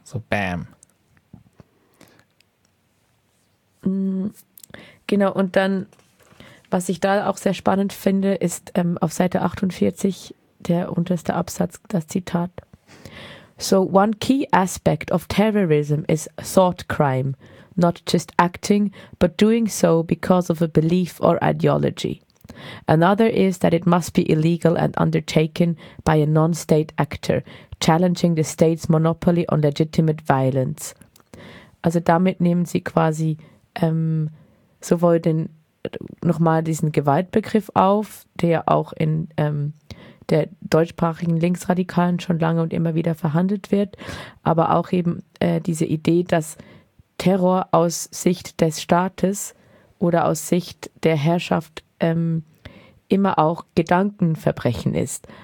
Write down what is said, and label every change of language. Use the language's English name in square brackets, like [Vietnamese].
[German] So bam. Genau, und dann, was ich da auch sehr spannend finde, ist auf Seite 48 der unterste Absatz, das Zitat. [English] So one key aspect of terrorism is thought crime. Not just acting, but doing so because of a belief or ideology. Another is that it must be illegal and undertaken by a non-state actor, challenging the state's monopoly on legitimate violence. [German] Also damit nehmen sie quasi sowohl den nochmal diesen Gewaltbegriff auf, der auch in der deutschsprachigen Linksradikalen schon lange und immer wieder verhandelt wird, aber auch eben diese Idee, dass Terror aus Sicht des Staates oder aus Sicht der Herrschaft immer auch Gedankenverbrechen ist.